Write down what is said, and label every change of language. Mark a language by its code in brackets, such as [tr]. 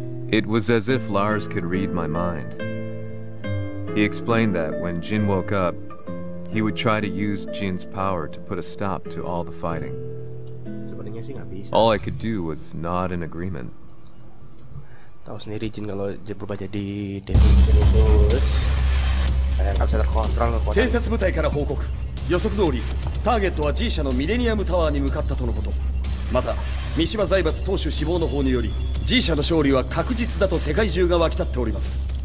[en] It was as if Lars could read my mind. He explained that when Jin woke up, he would try to use Jin's power to put a stop to all the fighting. All I could do was nod in agreement. [id] Tahu sendiri Jin kalau dia berubah jadi demon terus, enggak bisa terkontrol kekuatan. [ja] 偵察部隊から報告。予測通り、ターゲットはG社のミレニアムタワーに向かったとのこと。また、三島財閥当主死亡の方により、G社の勝利は確実だと世界中が沸き立っております。